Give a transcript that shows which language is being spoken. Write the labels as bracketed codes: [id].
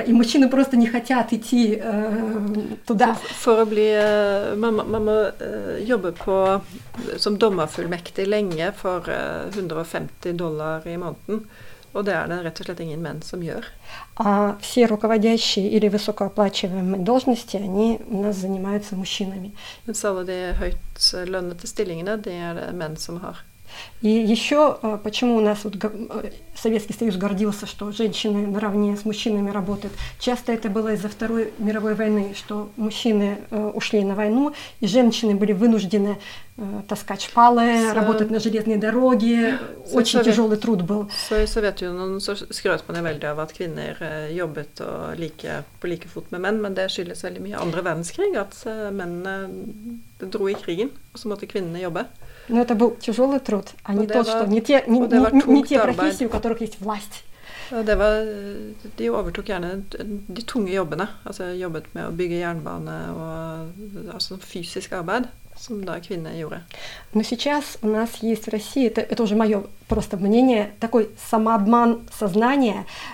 [ru] И мужчины просто не хотят идти туда. [no] For å bli, man må jobbe på, som dommerfullmektig lenge for $150 i måneden. Og det det rett og slett ingen menn som gjør. [ru] А все руководящие или высокооплачиваемые должности, они у нас занимаются мужчинами. [no] Men så de høyt lønnete stillingene, det det menn som har. [ru] И еще, почему у нас вот, Советский Союз гордился, что женщины наравне с мужчинами работают. Часто это было из-за Второй мировой войны, что мужчины ушли на войну, и женщины были вынуждены таскать шпалы, работать на железной дороге. Очень тяжелый труд был. [no] Så i Sovjetunionen så skrøt man veldig av at kvinner jobbet og like, på like fot med menn, men det skyldes veldig mye andre verdenskrig, at mennene dro i krigen, og så måtte kvinnene jobbe. [ru] Но это был тяжелый труд, а не тот, что не те профессии, у которых есть власть. [no] Det var, de overtok gjerne de tunge jobbene, altså jobbet med å bygge jernbane og altså fysisk arbeid, som da kvinner gjorde. [ru] Но сейчас у нас есть в России, это уже мое просто мнение, такой самообман сознания.